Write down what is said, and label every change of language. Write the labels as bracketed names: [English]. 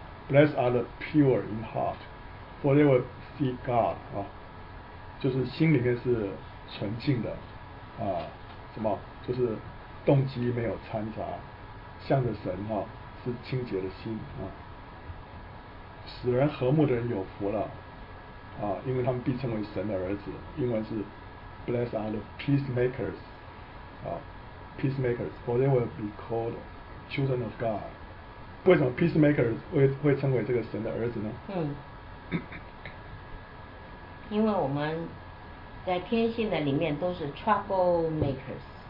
[English] Blessed are the pure in heart, for they will see God [Chinese] 啊，就是心里面是纯净的啊，什么就是动机没有掺杂，向着神啊。是清洁的心啊，使人和睦的人有福了啊，因为他们必称为神的儿子。英文是 [English] Blessed are the peacemakers 啊 ，peacemakers, for they will be called children of God。 [Chinese] 为什么 peacemakers 会称为这个神的儿子呢？因为我们在天性的里面都是 troublemakers。